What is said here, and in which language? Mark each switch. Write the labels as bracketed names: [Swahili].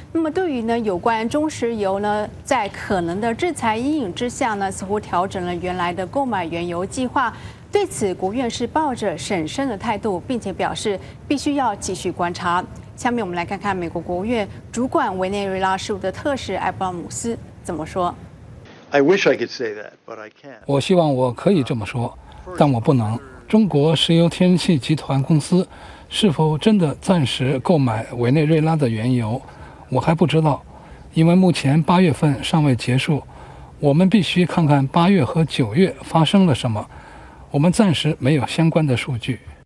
[Chinese] 那么对于呢有关中石油呢在可能的制裁阴影之下呢，似乎调整了原来的购买原油计划。对此，国务院是抱着审慎的态度，并且表示必须要继续观察。下面我们来看看美国国务院主管委内瑞拉事务的特使艾布拉姆斯怎么说。 [English] I wish I could say that, but I can't. [Chinese] 我希望我可以这么说，但我不能。中国石油天然气集团公司是否真的暂时购买委内瑞拉的原油，我还不知道，因为目前八月份尚未结束，我们必须看看八月和九月发生了什么，我们暂时没有相关的数据。